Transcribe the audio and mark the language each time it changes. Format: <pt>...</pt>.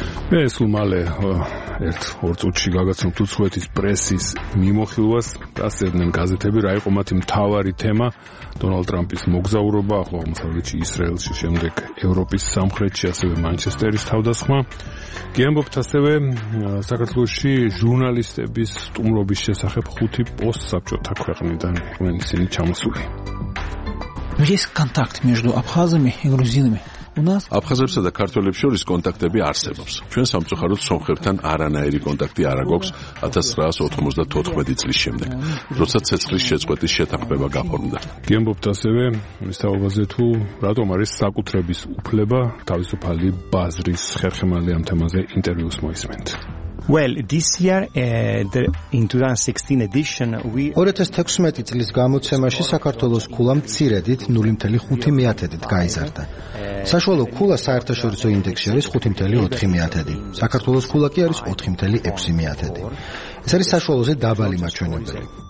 <ka>მე სულ მალე ერთ-ორ წუთში გაგაცნობთ უცხოეთის პრესის მიმოხილვას, დასწერდნენ გაზეთები რა იყო მათი მთავარი თემა: დონალდ ტრამპის მოგზაურობა ახლო აღმოსავლეთში, ისრაელში, შემდეგ ევროპის სამხრეთში, ასევე მანჩესტერის თავდასხმა. გიამბობთ ასევე საქართველოში ჟურნალისტების სტუმრობის შესახებ: ხუთი პოსტსაბჭოთა ქვეყნიდან იყვნენ ისინი ჩამოსული.</ka> <ru>Есть контакт между абхазами и грузинами. У нас</ru> <ka>абхазებსა და ქართველებს შორის კონტაქტები არსებობს. ჩვენ სამწუხაროდ სომხებთან არანაირი კონტაქტი არ აქვს 1994 წლის შემდეგ, როცა ცეცხლის შეწყვეტის შეთანხმება გაფორმდა. გიამბობთ ასევე მისთაობაზე, თუ რატომ არის საკუთრების უფლება თავისუფალი ბაზრის ხერხემალი. ამ თემაზე ინტერვიუს მოისმენთ.</ka> <en>Well, this year in 2016 edition we</en> <ka>2016 წლის გამოცემაში საქართველოს ქულა მცირედით 0.5 მეათედით გაიზარდა. საშუალო ქულა საერთაშორისო ინდექსში არის 5.4 მეათედი. საქართველოს ქულა კი არის 4.6 მეათედი. ეს არის საშუალოზე დაბალი მაჩვენებელი.</ka>